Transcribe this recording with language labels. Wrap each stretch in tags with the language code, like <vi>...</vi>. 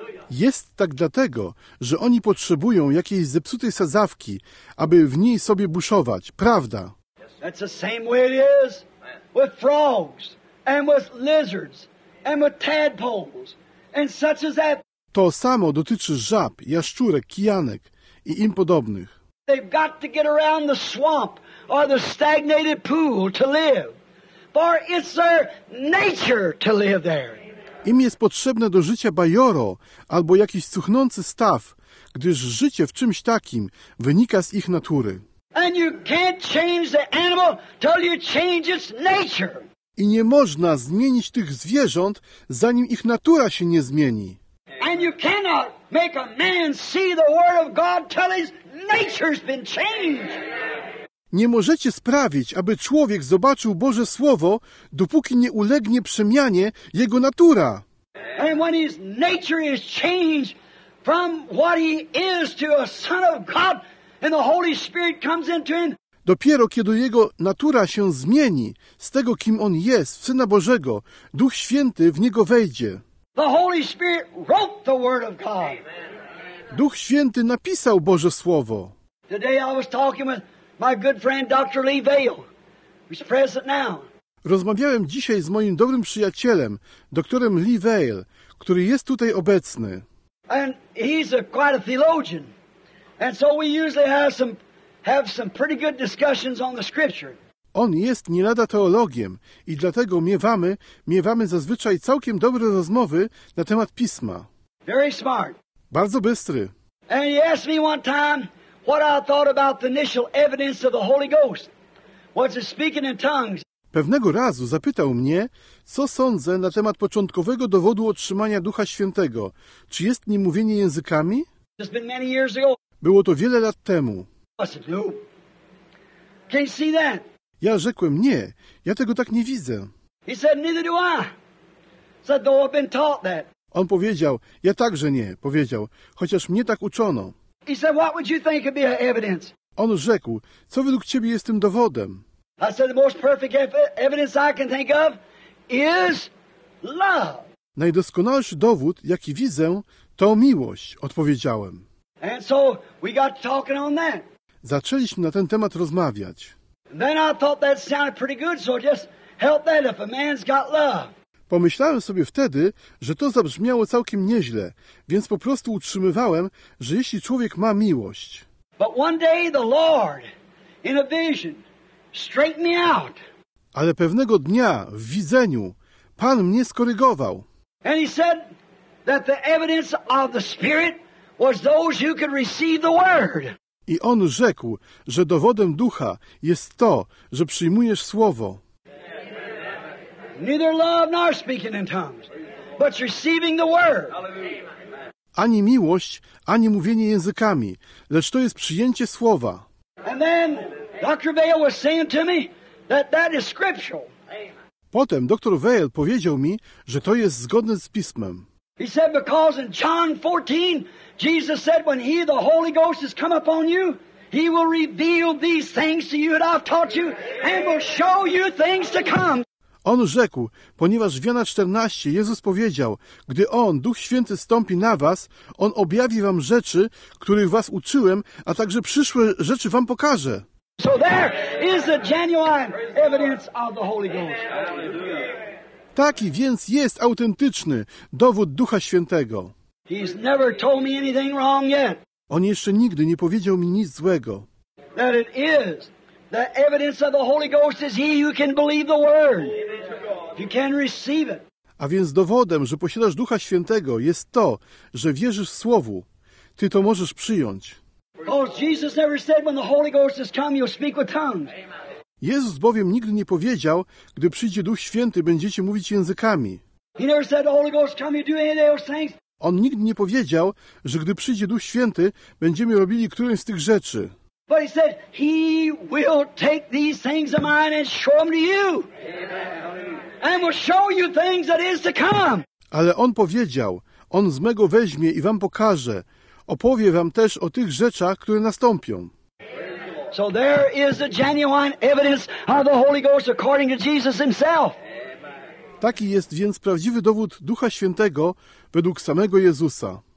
<pl>Jest tak dlatego, że oni potrzebują jakiejś zepsutej sadzawki, aby w niej sobie buszować. Prawda?</pl> <en>That's the same way it is with frogs and with lizards and with tadpoles and such as that.</en> <pl>To samo dotyczy żab, jaszczurek, kijanek i im podobnych.</pl> <en>They've got to get around the swamp or the stagnated pool to live, for it's their nature to live there.</en> <pl>Im jest potrzebne do życia bajoro albo jakiś cuchnący staw, gdyż życie w czymś takim wynika z ich natury.</pl> <en>And you can't change the animal till you change its nature.</en> <pl>I nie można zmienić tych zwierząt, zanim ich natura się nie zmieni.</pl> <en>And you cannot make a man see the word of God till his nature's been changed.</en> <pl>Nie możecie sprawić, aby człowiek zobaczył Boże Słowo, dopóki nie ulegnie przemianie jego natura.</pl> <en>And when his nature is changed from what he is to a son of God and the Holy Spirit comes into him.</en> <pl>Dopiero kiedy jego natura się zmieni z tego, kim on jest, w Syna Bożego, Duch Święty w niego wejdzie.</pl> <en>The Holy Spirit wrote the word of God.</en> <pl>Duch Święty napisał Boże Słowo.</pl> <en>Today I was talking with my good friend Dr. Lee Vail, who's present now.</en> <pl>Rozmawiałem dzisiaj z moim dobrym przyjacielem, doktorem Lee Vail, który jest tutaj obecny.</pl> <en>And he's quite a theologian. And so we usually have some pretty good discussions on the scripture.</en> <pl>On jest nie lada teologiem i dlatego miewamy zazwyczaj całkiem dobre rozmowy na temat Pisma.</pl> <en>Very smart.</en> <pl>Bardzo bystry.</pl> <en>And he asked me one time what I thought about the initial evidence of the Holy Ghost. Was it speaking in tongues?</en> <pl>Pewnego razu zapytał mnie, co sądzę na temat początkowego dowodu otrzymania Ducha Świętego. Czy jest nim mówienie językami?</pl> <en>It's been many years ago.</en> <pl>Było to wiele lat temu.</pl> <en>I said, no. Can't see that.</en> <pl>Ja rzekłem, nie, ja tego tak nie widzę.</pl> <en>He said, neither do I. Said, though I've been taught that.</en> <pl>On powiedział, ja także nie, powiedział, chociaż mnie tak uczono.</pl> <en>He said, what would you think would be evidence?</en> <pl>On rzekł, co według ciebie jest tym dowodem?</pl> <en>I said, the most perfect evidence I can think of is love.</en> <pl>Najdoskonalszy dowód, jaki widzę, to miłość, odpowiedziałem.</pl> <en>And so we got talking on that.</en> <pl>Zaczęliśmy na ten temat rozmawiać.</pl> <en>Then I thought that sounded pretty good, so just help that if a man's got love.</en> <pl>Pomyślałem sobie wtedy, że to zabrzmiało całkiem nieźle, więc po prostu utrzymywałem, że jeśli człowiek ma miłość.</pl> <en>But one day the Lord, in a vision, straightened me out.</en> <pl>Ale pewnego dnia w widzeniu Pan mnie skorygował.</pl> <en>And he said that the evidence of the Spirit was those who could receive the word.</en> <pl>I on rzekł, że dowodem ducha jest to, że przyjmujesz słowo.</pl> <en>Neither love nor speaking in tongues, but receiving the word.</en> <pl>Ani miłość, ani mówienie językami, lecz to jest przyjęcie słowa.</pl> <en>And then Dr. Vail was saying to me that that is scriptural.</en> <pl>Potem dr Vail powiedział mi, że to jest zgodne z pismem.</pl> <en>He said because in John 14 Jesus said when he the Holy Ghost has come upon you, he will reveal these things to you that I've taught you and will show you things to come.</en> <pl>On rzekł, ponieważ w Jana 14 Jezus powiedział, gdy On, Duch Święty, stąpi na was, On objawi wam rzeczy, których was uczyłem, a także przyszłe rzeczy wam pokaże.</pl> <en>So there is the genuine evidence of the Holy Ghost.</en> <pl>Taki więc jest autentyczny dowód Ducha Świętego.</pl> <en>He's never told me anything wrong yet.</en> <pl>On jeszcze nigdy nie powiedział mi nic złego.</pl> <en>That it is. The evidence of the Holy Ghost is he who can believe the word. You can receive it.</en> <pl>A więc dowodem, że posiadasz Ducha Świętego, jest to, że wierzysz w słowu. Ty to możesz przyjąć.</pl> <en>Because Jesus never said when the Holy Ghost has come you'll speak with tongues.</en> <pl>Jezus bowiem nigdy nie powiedział, gdy przyjdzie Duch Święty, będziecie mówić językami.</pl> <en>He never said the Holy Ghost come you do any of those things.</en> <pl>On nigdy nie powiedział, że gdy przyjdzie Duch Święty, będziemy robili którąś z tych rzeczy.</pl> <en>But he said, he will take these things of mine and show them to you. Amen. And will show you things that is to come.</en> <pl>Ale on powiedział, on z mego weźmie i wam pokaże. Opowie wam też o tych rzeczach, które nastąpią.</pl> <en>So there is a genuine evidence of the Holy Ghost according to Jesus himself.</en> <pl>Taki jest więc prawdziwy dowód Ducha Świętego według samego Jezusa.</pl>